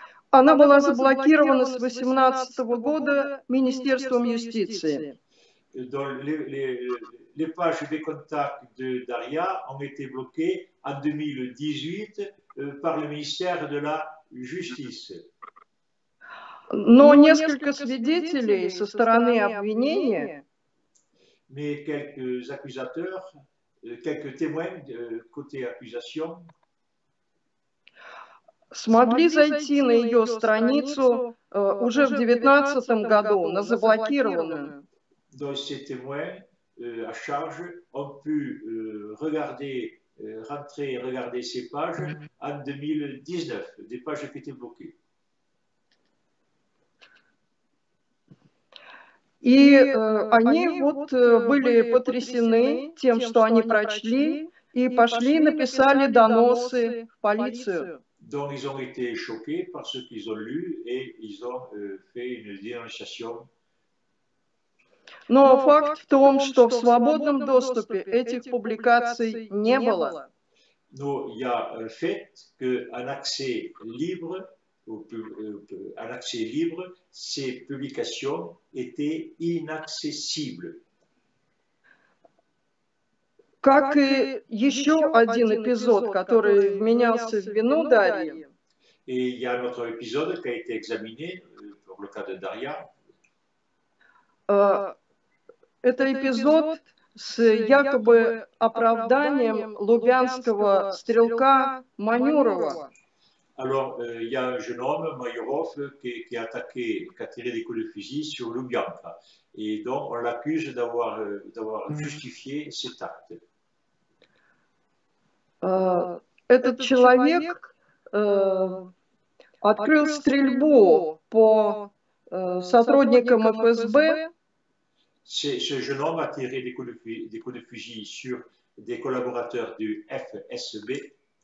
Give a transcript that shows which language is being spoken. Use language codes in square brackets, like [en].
[ru] Она была заблокирована с 18 года Министерством юстиции. [fr] Donc les pages VKontakt de Daria ont été bloquées en 2018 par le ministère de la Justice. [ru] Но несколько свидетелей со стороны обвинения, [fr] mais quelques accusateurs, quelques témoins de côté accusation, [ru] смогли зайти на ее страницу уже в 2019 году, на заблокированную. [fr] Donc ces témoins à charge ont pu regarder ces pages en 2019, des pages qui étaient bloquées. [ru] И они вот были потрясены тем, что они прочли, и пошли, написали доносы в полицию. [fr] Donc ils ont été choqués par ce qu'ils ont lu et ils ont fait une dénonciation. [ru] Но факт в том, что в свободном доступе этих публикаций не было. Но я [fr] fait que un accès libre à l'accès libre, ces publications étaient inaccessibles. [ru] Как и еще один эпизод, который вменялся в вину Дарьи. [fr] Et il y a un autre épisode qui a été examiné pour le cas de Daria. [ru] Это эпизод с якобы оправданием лубянского стрелка Манюрова. [fr] Alors, il y a un jeune homme, Mayorov, qui a attaqué, qui a tiré des coups de fusil sur Lubyanka. Et donc, on l'accuse d'avoir justifié cet acte. [ru] Этот человек открыл стрельбу по сотрудникам ФСБ. [fr] Ce jeune homme a tiré des coups de fusil sur des collaborateurs du FSB.